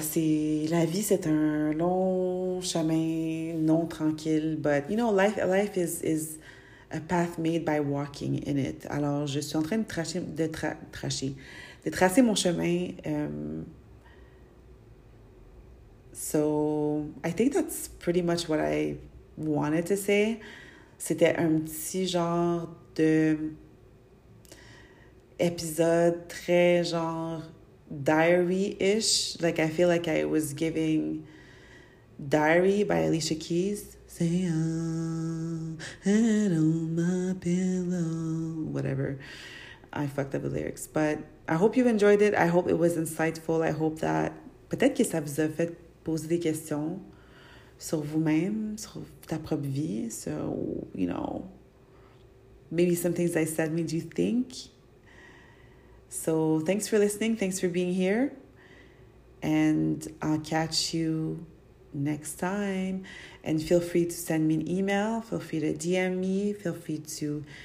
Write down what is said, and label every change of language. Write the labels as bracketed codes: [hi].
[fr] C'est la vie, c'est un long chemin non tranquille. [en] But you know, life is a path made by walking in it. [fr] Alors, je suis en train de tracher. De tracer mon chemin. [en] So, I think that's pretty much what I wanted to say. [fr] C'était un petit genre de épisode très genre diary-ish. [en] Like, I feel like I was giving Diary by Alicia Keys. Say, oh, head on my pillow. Whatever. I fucked up the lyrics, but I hope you enjoyed it. I hope it was insightful. I hope that... [fr] Peut-être que ça vous a fait poser des questions sur vous-même, sur ta propre vie. [en] So, you know, maybe some things I said made you think. So, thanks for listening. Thanks for being here. And I'll catch you next time. And feel free to send me an email. Feel free to DM me. Feel free to